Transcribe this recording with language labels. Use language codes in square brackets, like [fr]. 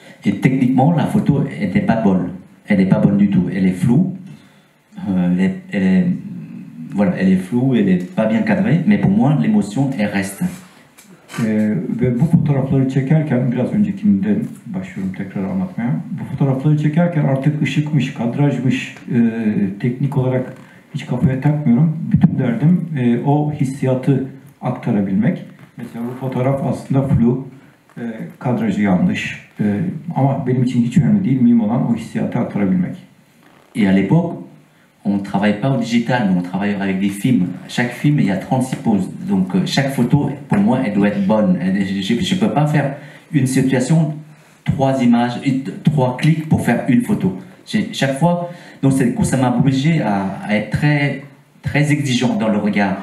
[fr] Et techniquement la photo était pas bonne. Elle est pas bonne du tout, elle est floue. Elle est floue, elle est pas bien cadrée, mais pour moi l'émotion elle reste. [tr] Ve bu fotoğrafları çekerken, biraz öncekinden başlıyorum tekrar anlatmaya. Bu fotoğrafları çekerken artık ışıkmış, kadrajmış, teknik olarak hiç kafaya takmıyorum. Bütün derdim o hissiyatı aktarabilmek. Mesela bu fotoğraf aslında flu, kadrajı yanlış. Ama benim için hiç önemli değil, mühim olan o hissiyatı aktarabilmek. [fr] Et à l'époque, on travaille pas au digital, on travaille avec des films. Chaque film, il y a 36 poses. Donc chaque photo, pour moi, elle doit être bonne. Je ne peux pas faire une situation, trois images, trois clics pour faire une photo. Chaque fois, donc du coup, ça m'a obligé à être très, très exigeant dans le regard.